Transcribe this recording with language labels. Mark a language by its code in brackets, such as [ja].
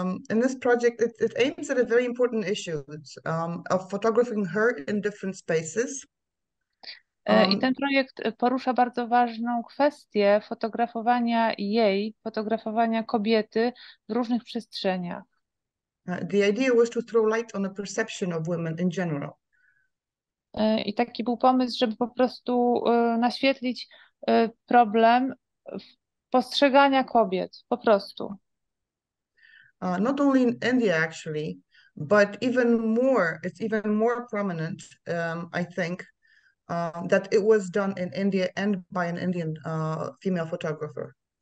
[en] In this project, it aims at a very important issue of photographing her in different spaces. [pl] I ten projekt porusza bardzo ważną kwestię fotografowania jej, fotografowania kobiety w różnych przestrzeniach. [en] The idea was to throw light on the perception of women in general. [pl] I taki był pomysł, żeby po prostu naświetlić problem postrzegania kobiet, po prostu. [en] Not only in India, actually, but even more, it's even more prominent, I think, that it was done in India and by an Indian female photographer.